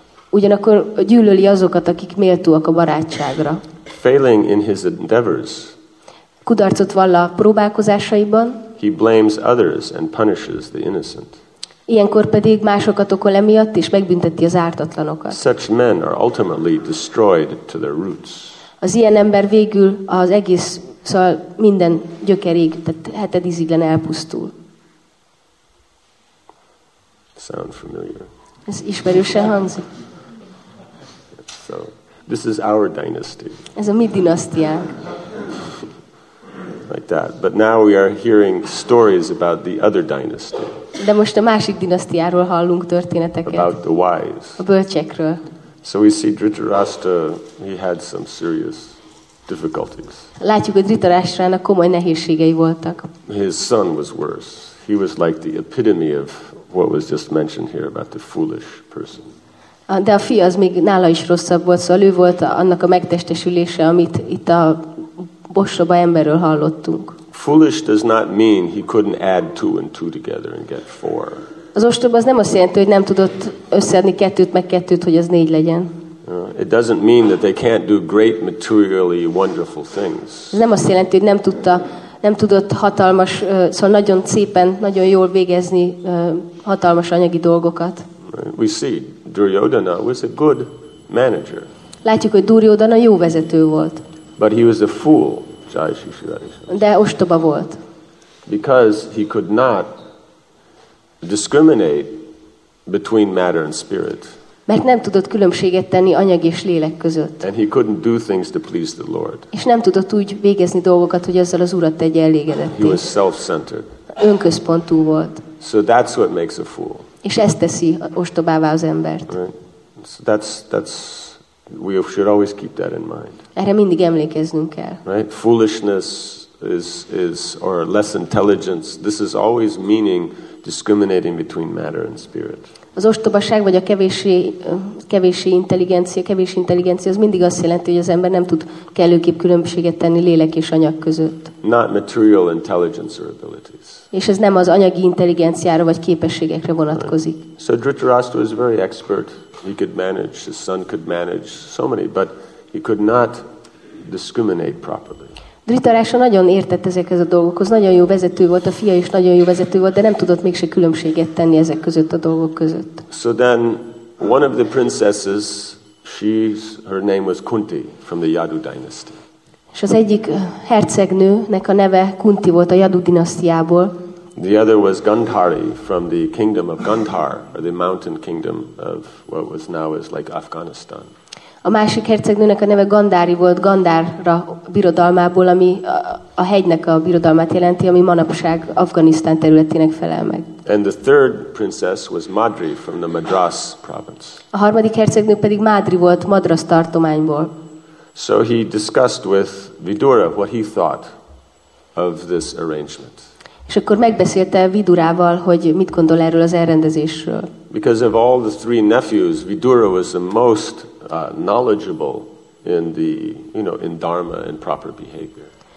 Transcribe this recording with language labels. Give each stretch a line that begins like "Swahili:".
Hungarian: Ugyanakkor gyűlöli azokat, akik méltóak a barátságra.
English: Failing in his endeavors.
Hungarian: Kudarcot vall a próbálkozásaiban.
English: He blames others and punishes the innocent.
Hungarian: Ilyenkor pedig másokat okol emiatt és megbünteti az ártatlanokat.
English: Such men are ultimately destroyed to their roots.
Hungarian: Az ilyen ember végül az egész, szóval minden gyökerig, tehát hetedíziglen elpusztul.
English: Sound familiar.
Hungarian: Ez ismerősen hangzik.
English: So, this is our dynasty.
Hungarian: Ez a mi dinasztiánk.
English: Like that. But now we are hearing stories about the other dynasty.
Hungarian: De most a másik dinasztiáról hallunk történeteket.
English: About the wise.
Hungarian: A bölcsekről.
English: So we see Dhritarashtra, he had some serious difficulties.
Hungarian: Látjuk, hogy Dhritarashtrának komoly nehézségei voltak.
English: His son was worse. He was like the epitome of what was just mentioned here about the foolish person.
Hungarian: De a fia az még nála is rosszabb volt, szóval ő volt annak a megtestesülése, amit itt a bosszoba emberről hallottunk.
English: Foolish does not mean he couldn't add two and two together and get four.
Hungarian: Az ostoba az nem azt jelenti, hogy nem tudott összeadni kettőt meg kettőt, hogy az négy legyen.
English: It doesn't mean that they can't do great materially wonderful things.
Hungarian: Ez nem azt jelenti, hogy nem tudott hatalmas, szóval nagyon szépen, nagyon jól végezni hatalmas anyagi dolgokat.
English: We see Duryodhana was a good manager.
Hungarian: Látjuk, hogy Duryodhana jó vezető volt.
English: But he was a fool, Jayashishira.
Hungarian: De ostoba volt.
English: Because he could not discriminate between matter and spirit.
Hungarian: Mert nem tudott különbséget tenni anyag és lélek között.
English: And he couldn't do things to please the Lord.
Hungarian: És nem tudott úgy végezni dolgokat, hogy ezzel az Urat tegye elégedetté.
English: He was self-centered.
Hungarian: Önközpontú volt.
English: So that's what makes a fool.
Hungarian: És ezt teszi ostobává az embert.
English: Right. So that's we should always keep that in mind.
Hungarian: Erre mindig emlékeznünk kell.
English: Right? Foolishness is or less intelligence. This is always meaning discriminating between matter and spirit.
Hungarian: Az ostobaság vagy a kevési intelligencia az mindig azt jelenti, hogy az ember nem tud kellőképp különbséget tenni lélek és anyag között.
English: Not material intelligence or abilities.
Hungarian: És ez nem az anyagi intelligenciára vagy képességekre vonatkozik.
English: Right. So Dhritarashtra was very expert. He could manage, his son could manage so many, but he could not discriminate properly.
Hungarian: Dhritarashtra nagyon értett ezekhez a dolgokhoz. Nagyon jó vezető volt, a fia is nagyon jó vezető volt, de nem tudott mégse különbséget tenni ezek között a dolgok között.
English: So then one of the princesses, her name was Kunti from the Yadu dynasty.
Hungarian: És az egyik hercegnőnek a neve Kunti volt a Yadu dinasztiából.
English: The other was Gandhari from the kingdom of Gandhar, or the mountain kingdom of what was now is like Afghanistan.
Hungarian: A másik hercegnőnek a neve Gandhari volt, Gandhara birodalmából, ami a hegynek a birodalmát jelenti, ami manapság Afganisztán területének felel meg.
English: And the third princess was Madri from the Madras province.
Hungarian: A harmadik hercegnő pedig Madri volt, Madras tartományból.
English: So he discussed with Vidura what he thought of this arrangement.
Hungarian: És akkor megbeszélte Vidurával, hogy mit gondol erről az elrendezésről.
English: Because of all the three nephews, Vidura was the most knowledgeable in the, you know, in dharma and proper behavior.